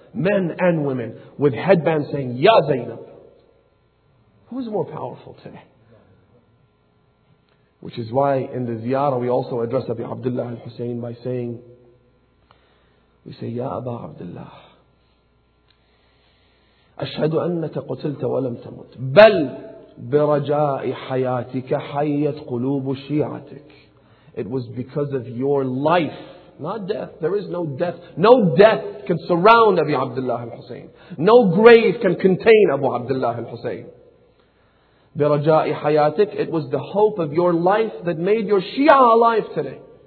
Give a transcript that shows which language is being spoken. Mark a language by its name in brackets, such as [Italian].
[English] Men and women with headbands saying, Ya Zainab. Who's more powerful today? Which is why in the ziyarah we also address Abi Abdullah al-Hussein by saying, we say, Ya Aba Abdullah. [Arabic] Ashhadu annaka qutilta wa lam tamut. Bal بِرَجَاءِ حَيَاتِكَ حَيَّتْ قُلُوبُ شِيَعَتِكَ. [English] It was because of your life, not death. There is no death. No death can surround Abi Abdullah al-Hussein. No grave can contain Abu Abdullah al-Hussein. [Arabic] برجاء حياتك. [English] It was the hope of your life that made your Shia alive today.